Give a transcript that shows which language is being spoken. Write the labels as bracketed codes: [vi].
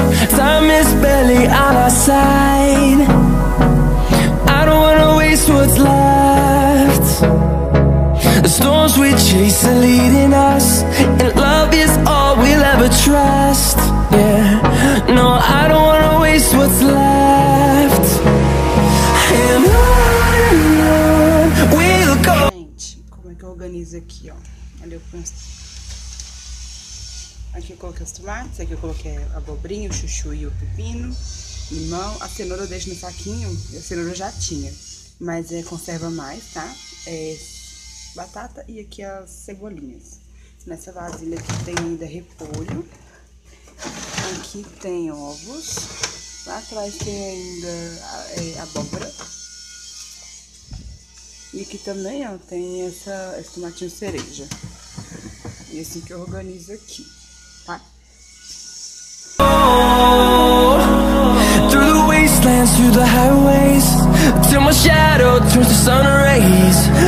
[en] Time is barely on our side. I don't wanna waste what's left. The storms we chase are leading us, and love is all we'll ever trust. Yeah, no, I don't wanna waste what's left. And on we'll go. [pt] Gente, como é que eu organizo aqui, ó? Olha o posto. Aqui eu coloquei os tomates, aqui eu coloquei a abobrinha, o chuchu e o pepino, limão. A cenoura eu deixo no saquinho, a cenoura já tinha, mas conserva mais, tá? Batata e aqui as cebolinhas. Nessa vasilha aqui tem ainda repolho. Aqui tem ovos. Lá atrás tem ainda abóbora. E aqui também, ó, tem esse tomatinho cereja. E assim que eu organizo aqui. [en] Through the wastelands, through the highways. till my shadow turns to sun rays.